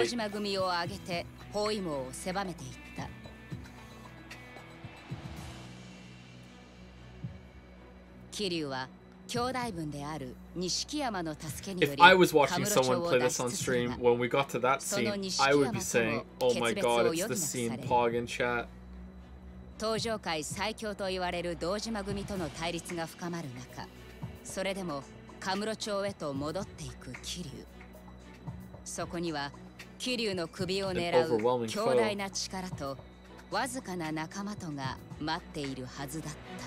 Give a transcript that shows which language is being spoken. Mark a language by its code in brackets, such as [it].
[ja] 堂島組を上げて包囲網を狭めていった。キリュウは兄弟分である錦山の助けにより、 [en] If I was watching someone play this on stream when we got to that scene, I would be saying, "Oh my god, it's the scene Pog in chat." [ja] 登場界最強と言われる堂島組との対立が深まる中、それでもカムロ町へと戻っていく桐生。そこには桐生の首を狙う強大な力とわずかな仲間とが待っているはずだった。